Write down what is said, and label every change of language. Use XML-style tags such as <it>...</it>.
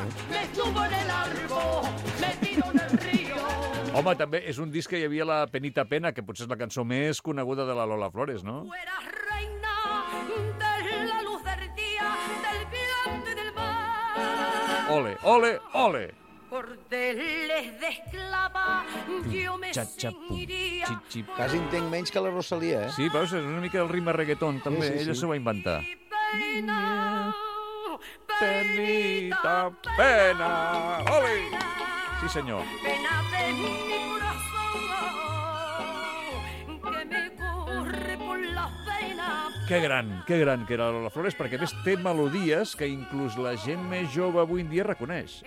<es>Me subo en el árbol, me tiro en el río.</es> <ca>Home, també és un disc que hi havia la Penita Pena, que potser és la cançó més coneguda de la Lola Flores, no?</ca> <es>Fuera reina de la luz del día, del vientre del mar. Ole, ole, ole! Cordeles de esclava, yo me ceñiría.</es> <ca>Quasi entenc menys que la Rosalía, eh? Sí, però és una mica el ritme reggaeton, també. Sí. Ella s'ho va inventar. Pena, Penita Pena, ole! Sí, senyor.</ca> <es>Pena de mi corazón, que me corre por la vena.</es> <ca>Que gran que era Lola Flores, perquè a més té melodies que inclús la gent més jove avui en dia reconeix.</ca>